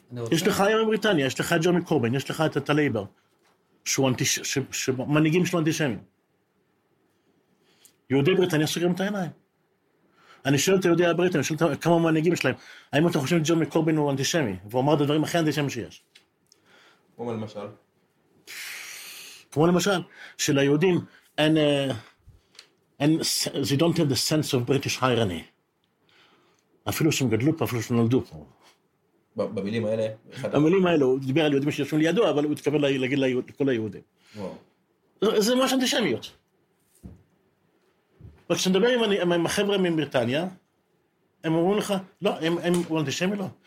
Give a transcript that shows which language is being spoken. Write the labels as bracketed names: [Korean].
[Hebrew] יש לך היום בריטניה, יש לך את ג'רמי קורבן, יש לך את הלייבר, שמנהיגים שלו אנטישמים. יהודי בריטניה סוגרים את העיניים. אני שואל את היהודי הבריטניה, אני שואל את כמה מנהיגים שלהם, האם אתה חושב שג'רמי קורבן הוא אנטישמי, והוא אמר את הדברים הכי אנטישמי שיש. כמו למשל? כמו למשל, של היהודים, [English] and they don't have the sense of British irony. [Hebrew] אפילו שהם גדלו פה, אפילו שהם נולדו פה. במילים האלה? במילים האלה, הוא דיבר על יהודים שיושבים לידו, אבל הוא התכוון להגיד לכל היהודים. זה ממש אנטישמיות. וכשנדבר עם החבר'ה מבריטניה, הם אומרים לך, לא, הם אנטישמי לא.